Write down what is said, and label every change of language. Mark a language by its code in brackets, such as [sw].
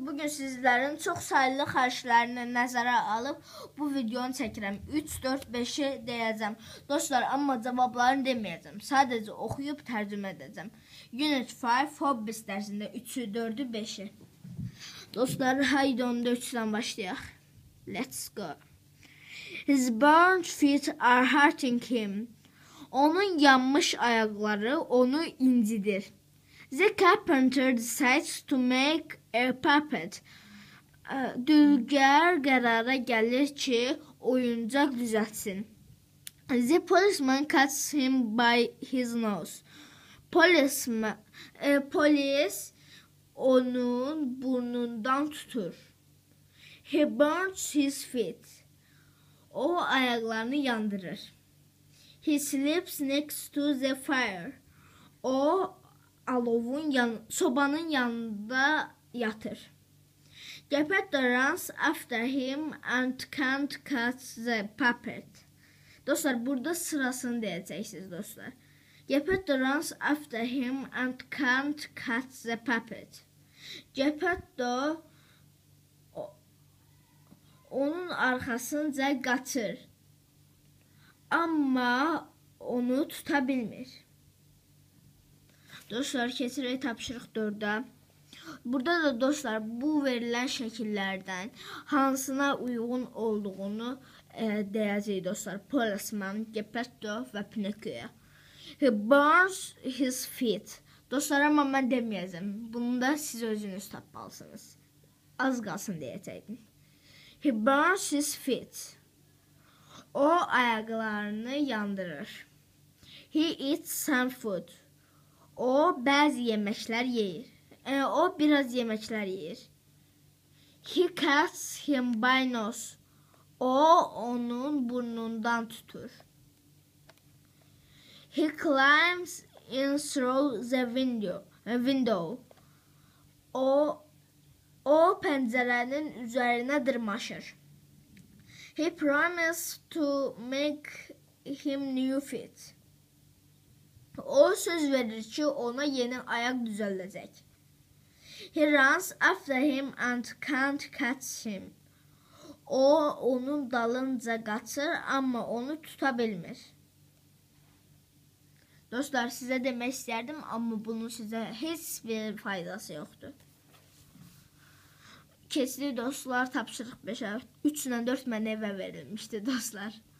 [az] Bu gün sizlərin çox saylı xərclərini nəzərə alıb bu videonu çəkirəm. 3 4 5-i deyəcəm. Dostlar, amma cavablarını deməyəcəm. Sadəcə oxuyub tərcümə edəcəm. Unit 5 Hobbies dərsində 3-ü, 4-ü, 5-i. Dostlar, haydi onda 3-dən başlayaq. [en] Let's go. His burnt feet are hurting him. [az] Onun yanmış ayaqları onu incidir. [en] The carpenter decides to make a puppet. [az] Dülgər qərara gəlir ki, oyuncaq düzəltsin. [en] The policeman cuts him by his nose. [az] Polis onun burnundan tutur. [en] He burns his feet. [az] O ayaqlarını yandırır. [en] He sleeps next to the fire. [az] O alovun sobanın yanında yatır. [en] Geppetto runs after him and can't catch the puppet. [az] Dostlar, burada sırasını deyəcəksiniz dostlar. [en] Geppetto runs after him and can't catch the puppet. [az] Geppetto onun arxasınca qaçır. Amma onu tuta bilmir. Dostlar, keçirək tapşırıq 4-də. Burada da dostlar, bu verilən şəkillərdən hansına uyğun olduğunu deyəcəyik dostlar. [en] Policeman, Geppetto və Pinocchio. He burns his feet. [az] Dostlar, amma mən deməyəcəm. Bunu da siz özünüz tapmalısınız. Az qalsın deyəcəkdim. [en] He burns his feet. [az] O ayaqlarını yandırır. [en] He eats some food. [az] O bəzi yeməklər yeyir. O biraz yeməklər yeyir. [en] He cuts him by nose. [az] O onun burnundan tutur. [en] He climbs in through the window. [az] O pəncərənin üzərinə dırmaşır. [en] He promises to make him new feet. [az] O söz verir ki, ona yeni ayaq düzəldəcək. [en] He runs after him and can't catch him. [az] O onun dalınca qaçır, amma onu tuta bilmir. Dostlar, sizə demək istərdim, amma bunun sizə heç bir faydası yoxdur. Keçdi dostlar, tapşırıq 5-ə. 3-dən 4 mənə evə verilmişdi dostlar.